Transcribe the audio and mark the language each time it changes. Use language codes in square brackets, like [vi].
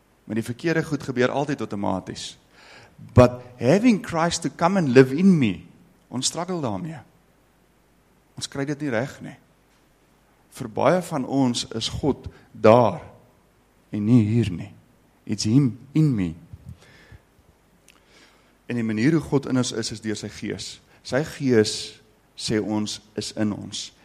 [af] Met die verkeerde goed gebeur altyd outomaties. [en] But having Christ to come and live in me, [af] ons struggle daarmee. Ons kry dit nie reg nie. Vir baie van ons is God daar en nie hier nie. [en] It's him in me. [af] En die manier hoe God in ons is, is deur sy gees. Sy gees, sê ons, is in ons.